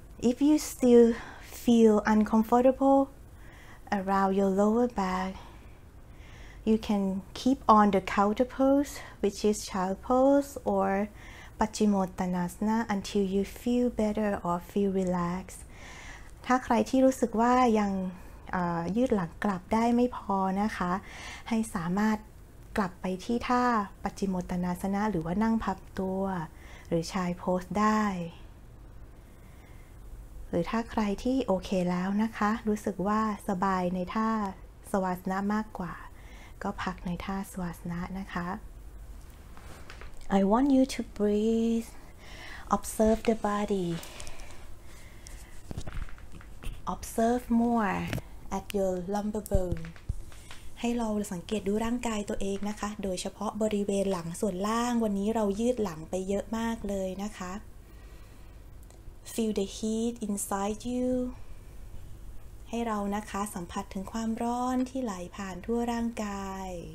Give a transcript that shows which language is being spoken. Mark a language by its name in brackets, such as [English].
[English] If you still feel uncomfortable around your lower back, you can keep on the counter pose, which is child pose or Pachimottanasana until you feel better or feel relaxed. [Thai] ถ้าใครที่รู้สึกว่ายังยืดหลังกลับได้ไม่พอนะคะให้สามารถกลับไปที่ท่าปัจจิโมตตานาสนะหรือว่านั่งพับตัวหรือชายโพสได้หรือถ้าใครที่โอเคแล้วนะคะรู้สึกว่าสบายในท่าสวาสนะมากกว่าก็พักในท่าสวาสนะนะคะ [English] I want you to breathe observe the bodyObserve more at your lumbar bone. [Thai] ให้เราสังเกตดูร่างกายตัวเองนะคะโดยเฉพาะบริเวณหลังส่วนล่างวันนี้เรายืดหลังไปเยอะมากเลยนะคะ [English] Feel the heat inside you. [Thai] ให้เรานะคะสัมผัสถึงความร้อนที่ไหลผ่านทั่วร่างกาย